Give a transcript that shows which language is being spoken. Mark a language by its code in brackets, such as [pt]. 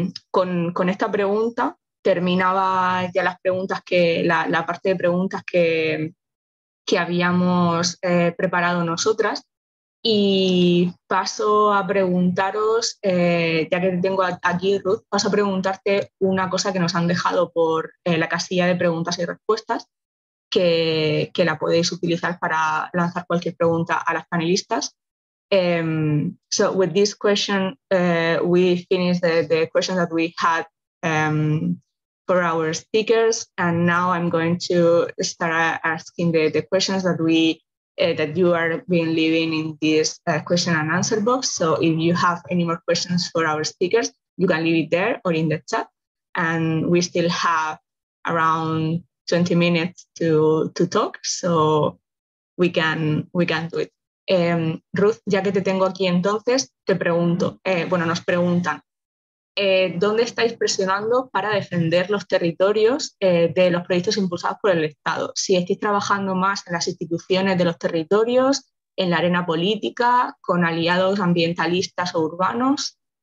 [es] Con esta pregunta terminaba ya las preguntas, la parte de preguntas que habíamos preparado nosotras, y paso a preguntaros, ya que tengo aquí Ruth, paso a preguntarte una cosa que nos han dejado por la casilla de preguntas y respuestas, que la podéis utilizar para lanzar cualquier pregunta a las panelistas. [en] So with this question, we finished the question that we had for our speakers, and now I'm going to start asking the questions that that you are being leaving in this question and answer box. So if you have any more questions for our speakers, you can leave it there or in the chat, and we still have around 20 minutes to talk, so we can do it. [es] Ruth, ya que te tengo aquí entonces, te pregunto, nos preguntan, ¿dónde estáis presionando para defender los territorios de los proyectos impulsados por el Estado? Si estáis trabajando más en las instituciones de los territorios, en la arena política, con aliados ambientalistas o urbanos.